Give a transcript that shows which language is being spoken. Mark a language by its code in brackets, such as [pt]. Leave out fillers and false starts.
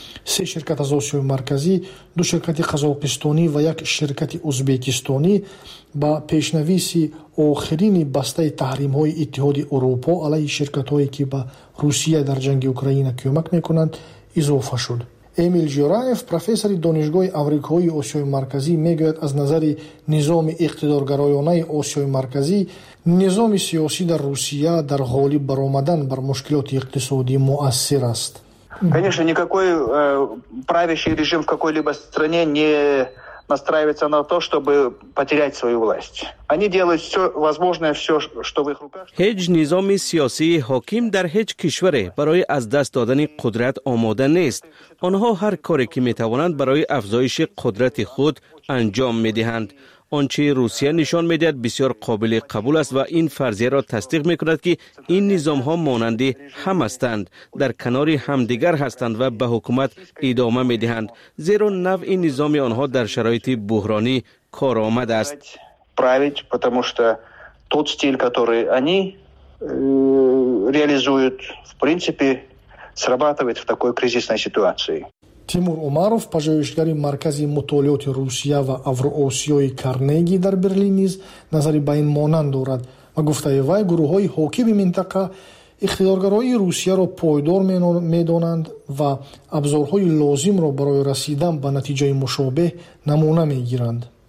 [fa] 3 شرکت از آسیای مرکزی، 2 شرکت قزاقستانی و 1 شرکت ازبکستانی با پیشنویسی آخرین بسته تحریم های اتحاد اروپا علیه شرکت هایی که به روسیه در جنگ اوکراین کمک می کنند اضافه شد. امیل جورایف، پروفسور دانشگاه آمریکایی آسیای مرکزی، میگوید از نظر نظام اقتدارگرایانه آسیای مرکزی، نظام سیاسی در روسیه در غالب برآمدن بر مشکلات اقتصادی مؤثر است. [ru] Конечно, никакой правящий режим в какой-либо стране не настраивается на то, чтобы потерять свою власть. Они делают все возможное, все, что в их руках. [tg] Хеч низоми сиоси хоким дар хеч кишваре барои аз даст додани кудрат омода нест. Онҳо ҳар коре ки метавонанд барои афзоиши кудрати худ анҷом медиҳанд. [fa] آنچه روسیه نشان می‌دهد بسیار قابل قبول است و این فرضیه را تصدیق می‌کند که این نظام‌ها مانند هم هستند، در کنار همدیگر هستند و به حکومت ادامه می‌دهند، زیرا نوع این نظام آنها در شرایط بحرانی کارآمد است. [ru] Править, потому что тот стиль, который они реализуют, в принципе, срабатывает в такой кризисной ситуации. [tg] Тимур Умаров, пожарышгари Маркази мутолиоти Русия ва Авроосиои Карнеги дар Берлин низ назари ба ин монанд дорад ва гуфтаи вай гурӯҳҳои ҳокими минтақа ихтиёргарои Русияро пойдор медонанд ва абзорҳои лозимро барои расидан ба натиҷаи мушобеҳ намуна мегиранд.